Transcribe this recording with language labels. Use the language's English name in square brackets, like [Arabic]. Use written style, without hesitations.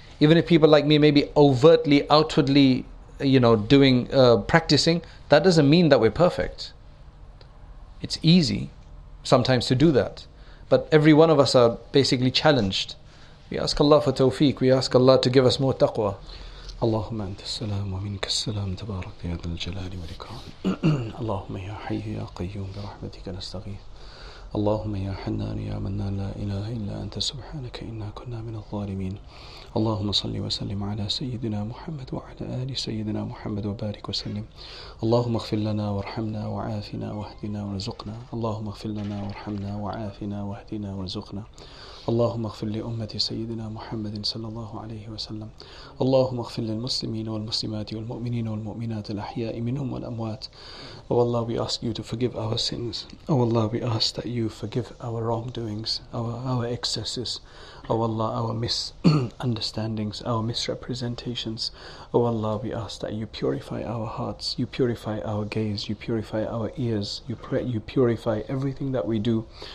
[English] Even if people like me may be overtly, outwardly, you know, doing, practicing, that doesn't mean that we're perfect. It's easy sometimes to do that. But every one of us are basically challenged. We ask Allah for tawfiq. We ask Allah to give us more taqwa. [Arabic] اللهم أنت السلام ومنك السلام تبارك يا ذا الجلال والإكرام اللهم يا حي يا قيوم برحمتك نستغيث اللهم يا حنان يا منان لا إله إلا أنت سبحانك إنا كنا من الظالمين اللهم صل وسلم على سيدنا محمد وعلى آل سيدنا محمد وبارك وسلم اللهم اغفر لنا وارحمنا وعافنا واهدنا وارزقنا اللهم اغفر لنا وارحمنا وعافنا واهدنا وارزقنا اللهم اغفر لأمة سيدنا محمد صلى الله عليه وسلم اللهم اغفر للمسلمين والمسلمات والمؤمنين والمؤمنات الأحياء منهم والأموات [English] Oh Allah, we ask you to forgive our sins. Oh Allah, we ask that you forgive our wrongdoings, our excesses. Oh Allah, our misunderstandings, our misrepresentations. Oh Allah, we ask that you purify our hearts, you purify our gaze, you purify our ears, you purify everything that we do.